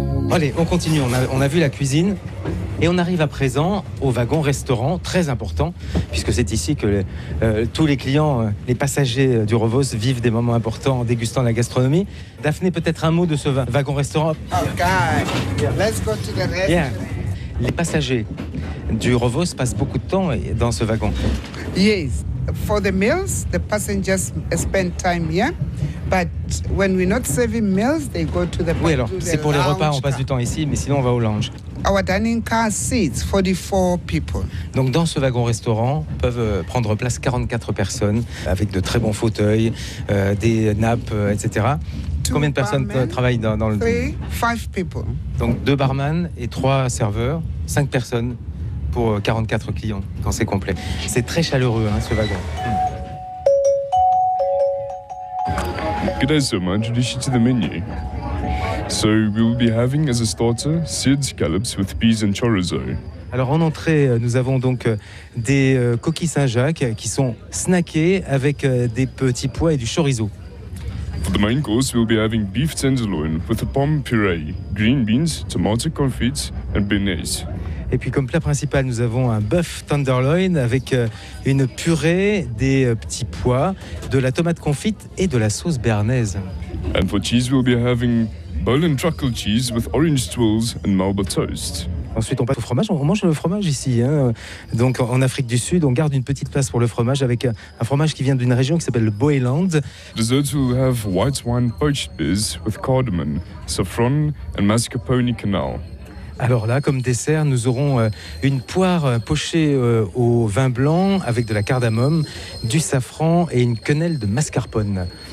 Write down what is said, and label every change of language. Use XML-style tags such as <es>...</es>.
<fr>Allez, on continue, on a vu la cuisine et on arrive à présent au wagon restaurant, très important, puisque c'est ici que tous les clients, les passagers du Rovos vivent des moments importants en dégustant la gastronomie. Daphné, peut-être un mot de ce wagon restaurant?</fr> <en>Ok, let's go to the restaurant.</en> <fr>Les passagers du Rovos passent beaucoup de temps dans ce wagon.</fr> <en>Yes, for the meals, the passengers spend time here. But when we're not serving meals, they go to the lounge.</en> <fr>Oui, alors, c'est pour les repas, on passe du temps ici, mais sinon on va au lounge.</fr> <en>Our dining car seats 44 people.</en> <fr>Donc dans ce wagon-restaurant, peuvent prendre place 44 personnes, avec de très bons fauteuils, des nappes, etc. Combien de personnes travaillent dans le...</fr> <en>5 people.</en> <fr>Donc 2 barman et 3 serveurs, 5 personnes pour 44 clients, quand c'est complet. C'est très chaleureux, hein, ce wagon.</fr> <en>Good day, sir. May I introduce you to the menu? So, we'll be having as a starter seared scallops with peas and chorizo.</en> <fr>Alors, en entrée, nous avons donc des coquilles Saint-Jacques qui sont snackées avec des petits pois et du chorizo.</fr> <en>For the main course, we'll be having beef tenderloin with a pomme puree, green beans, tomato confit, and béarnaise.</en> <fr>Et puis, comme plat principal, nous avons un bœuf tenderloin avec une purée, des petits pois, de la tomate confite et de la sauce béarnaise.</fr> <en>And for cheese, we'll be having bowl and truckle cheese with orange twills and Malba toast.</en> <fr>Ensuite, on passe au fromage. On mange le fromage ici. Hein. Donc, en Afrique du Sud, on garde une petite place pour le fromage avec un fromage qui vient d'une région qui s'appelle le Boyland.</fr> <en>Desserts will have white wine poached beers with cardamom, saffron and mascarpone canal.</en> <fr>Alors là, comme dessert, nous aurons une poire pochée au vin blanc avec de la cardamome, du safran et une quenelle de mascarpone.</fr>